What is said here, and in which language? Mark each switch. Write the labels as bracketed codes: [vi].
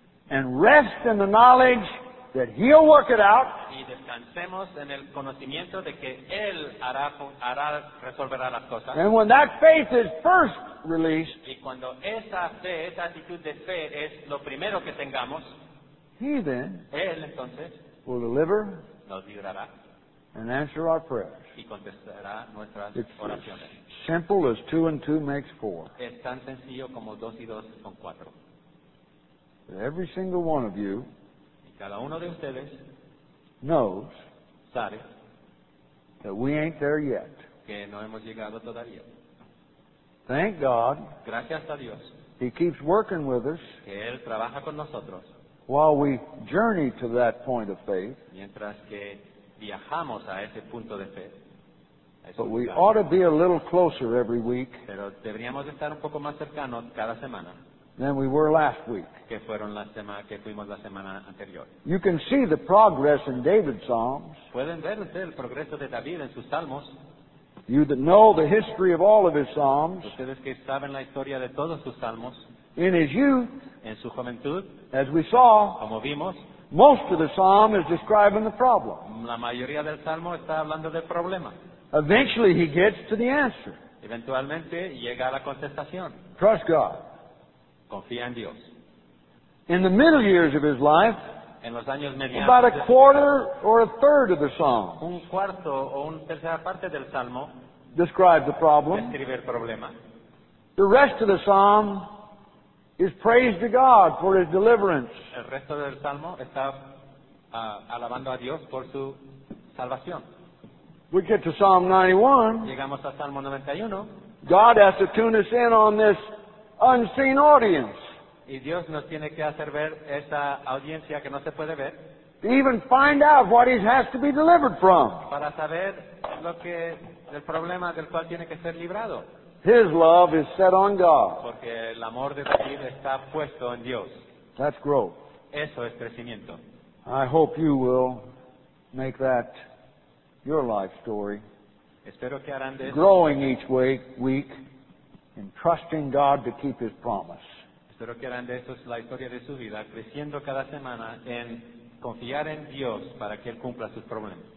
[en] And rest in the knowledge that he'll work it out. [es] Y descansemos en el conocimiento de que él hará resolverá las cosas. [en] And when that faith is first released, [es] y cuando esa fe, esa actitud de fe es lo primero que tengamos, [en] he then, [es] él entonces, [en] will deliver, [es] nos librará, [en] and answer our prayers. [es] Y contestará nuestras [en] It's [es] oraciones. [en] As simple as two and two makes four. [es] Es tan sencillo como dos y dos son cuatro. [en] But every single one of you. [es] Cada uno de ustedes [en] knows [es] sabe [en] that we ain't there yet. [es] Que no hemos llegado todavía. [en] Thank God. [es] Gracias a Dios. [en] He keeps working with us. [es] Que él trabaja con nosotros. [en] While we journey to that point of faith. [es] Mientras que viajamos a ese punto de fe. [en] But we ought to be a little closer every week. [es] Pero deberíamos estar un poco más cercanos cada semana. [en] Than we were last week. [es] Que fueron la semana que fuimos la semana anterior. [en] You can see the progress in David's Psalms. [es] Pueden ver usted el progreso de David en sus salmos. [en] You that know the history of all of his Psalms. [es] Ustedes que saben la historia de todos sus salmos. [en] In his youth. [es] En su juventud. [en] As we saw. [es] Como vimos. [en] Most of the psalm is describing the problem. [es] La mayoría del salmo está hablando del problema. [en] Eventually he gets to the answer. [es] Eventualmente llega a la contestación. [en] Trust God. [es] Confía en Dios. [en] In the middle years of his life, [es] en los años medianos, [en] about a quarter or a third of the psalm, [es] un cuarto o una tercera parte del salmo, [en] describe the problem. [es] Describe el problema. [en] The rest of the psalm is praise to God for his deliverance. [es] El resto del salmo está alabando a Dios por su salvación. [en] We get to Psalm 91. [es] Llegamos a Salmo 91. [en] God has to tune us in on this. Unseen audience. [es] Y Dios nos tiene que hacer ver esa audiencia que no se puede ver. [en] To even find out what he has to be delivered from. [es] Para saber lo que, el problema del cual tiene que ser librado. [en] His love is set on God. [es] Porque el amor de David está puesto en Dios. [en] That's growth. [es] Eso es crecimiento. [en] I hope you will make that your life story. [es] Espero que harán de [en] growing [es] eso. [en] Each week and trusting God to keep His promise. [es] Espero que harán de eso la historia de su vida, creciendo cada semana en confiar en Dios para que Él cumpla sus problemas.